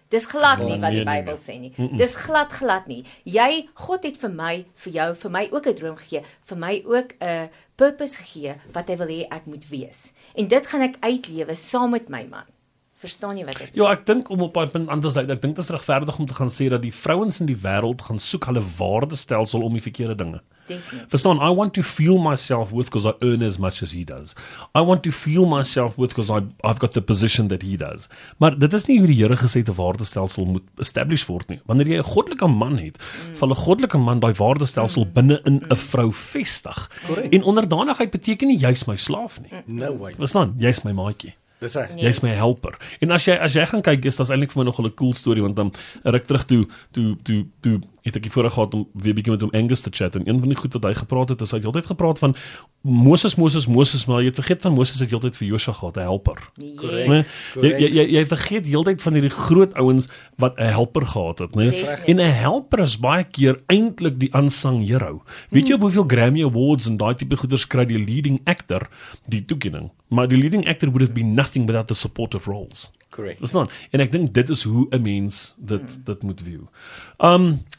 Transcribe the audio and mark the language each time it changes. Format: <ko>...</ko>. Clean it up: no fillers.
<af>Dis glad nie wat die Bybel sê nie. Dis glad nie. Jy, God het vir my, vir jou, vir my ook 'n droom gegee, vir my ook 'n purpose gegee, wat hy wil hê ek moet wees. En dit gaan ek uitlewe saam met my man. Verstaan jy wat ek? Ja, ek dink om op 'n punt anders uit, ek dink dit is regverdig om te gaan sê dat die vrouens in die wêreld gaan soek hulle waardestelsel om die verkeerde dinge.</af> <en>Definitely.</en> <af>Verstaan,</af> <en>I want to feel myself worth because I earn as much as he does. I want to feel myself worth because I've got the position that he does.</en> <af>Maar dit is nie hoe die Here gesê het 'n waardestelsel moet establish word nie. Wanneer jy 'n goddelike man het, sal 'n goddelike man daai waardestelsel binne in 'n vrou vestig.</af> <en>Correct.</en> <af>En onderdanigheid beteken nie jy's my slaaf nie.</af> <en>No way.</en> <af>Verstaan, jy's my maatjie. Dis hy. Jy's my helper. En as jy gaan kyk, is dit eintlik vir my nogal 'n cool story want dan ruk terug toe het ek die voorreg gehad om weer bietjie met hom Angus te chat en een van die goed wat hy gepraat het, is hy het altyd gepraat van Moses, maar jy het vergeet van Moses het heeltyd vir Joshua gehad 'n helper.</af> <en>Correct.</en> <af>Nee? Jy vergeet heeltyd van hierdie groot ouens wat 'n helper gehad het, nee? En 'n helper is baie keer eintlik die unsung hero. Weet jy hoeveel Grammy Awards en daai tipe goeders kry die leading actor die toekenning? Maar die</af> <en>leading actor would have been nothing without the supportive roles. Correct.</en> <af>Dis dan. En ek dink dit is hoe 'n mens dit moet view.</af>